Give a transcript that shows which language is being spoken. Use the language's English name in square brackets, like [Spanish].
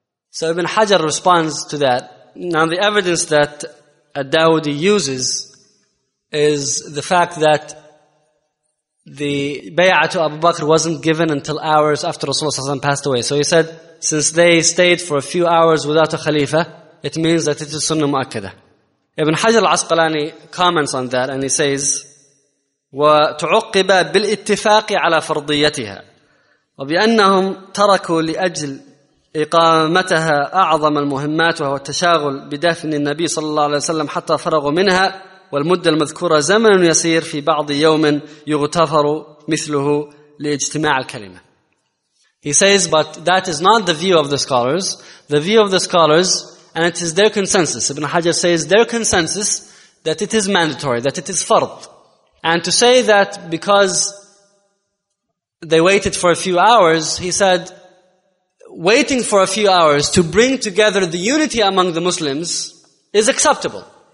[English] So Ibn Hajar responds to that. Now the evidence that Dawoodi uses is the fact that the bay'ah to Abu Bakr wasn't given until hours after Rasulullah ﷺ passed away. So he said, since they stayed for a few hours without a khalifa, it means that it is sunnah mu'akkada. Ibn Hajar al-Asqalani comments on that and he says, [Arabic] وَتُعُقِّبَ بِالْإِتِّفَاقِ عَلَى فَرْضِيَّتِهَا وَبِأَنَّهُمْ تَرَكُوا لِأَجْلِ إقامتها أعظم المهمات وهو التشاغل بدفن النبي صلى الله عليه وسلم حتى فرغوا منها والمدة المذكورة زمن يسير في بعض يوم يغتفر مثله لاجتماع الكلمة. [English] He says, but that is not the view of the scholars. The view of the scholars, and it is their consensus. Ibn Hajar says their consensus that it is mandatory, that it is fard. And to say that because they waited for a few hours, he said, waiting for a few hours to bring together the unity among the Muslims is acceptable.